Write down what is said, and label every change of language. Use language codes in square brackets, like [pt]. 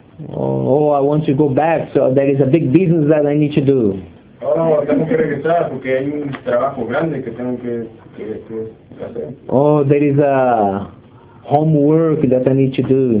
[en] Oh, I want to go back, so there is a big business that I need to do. [es] Oh, tengo que regresar porque hay un trabajo grande que tengo que hacer. [en] Oh, there is a homework that I need to do.